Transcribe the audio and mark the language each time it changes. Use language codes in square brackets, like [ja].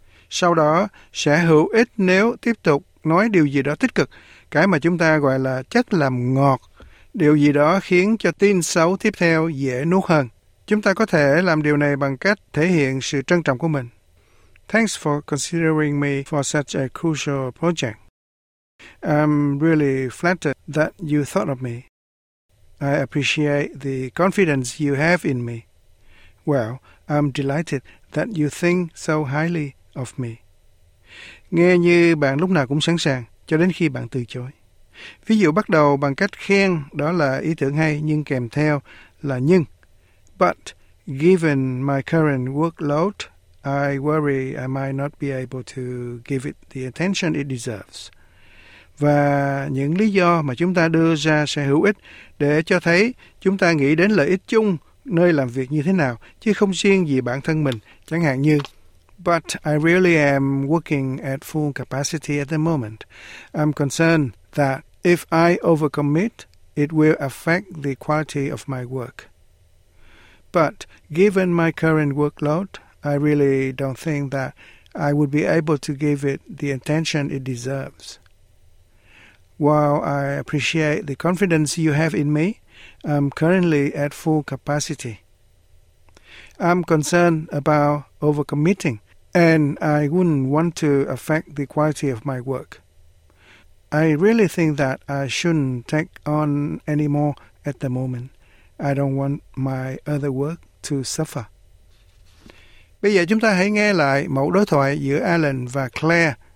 [vi] Sau đó sẽ hữu ích nếu tiếp tục nói điều gì đó tích cực, cái mà chúng ta gọi là chất làm ngọt, điều gì đó khiến cho tin xấu tiếp theo dễ nuốt hơn. Chúng ta có thể làm điều này bằng cách thể hiện sự trân trọng của mình. [en] Thanks for considering me for such a crucial project. I'm really flattered that you thought of me. I appreciate the confidence you have in me. Well, I'm delighted that you think so highly of me. [vi] Nghe như bạn lúc nào cũng sẵn sàng, cho đến khi bạn từ chối. Ví dụ bắt đầu bằng cách khen, đó là ý tưởng hay, nhưng kèm theo là nhưng. [en] But given my current workload, I worry I might not be able to give it the attention it deserves. [vi] Và những lý do mà chúng ta đưa ra sẽ hữu ích để cho thấy chúng ta nghĩ đến lợi ích chung nơi làm việc như thế nào, chứ không riêng gì bản thân mình. Chẳng hạn như: [en] But I really am working at full capacity at the moment. I'm concerned that if I overcommit, it will affect the quality of my work. But given my current workload, I really don't think that I would be able to give it the attention it deserves. While I appreciate the confidence you have in me, I'm currently at full capacity. I'm concerned about overcommitting, and I wouldn't want to affect the quality of my work. I really think that I shouldn't take on any more at the moment. I don't want my other work to suffer. [vi] Bây giờ chúng ta hãy nghe lại mẫu đối thoại giữa Alan và Claire.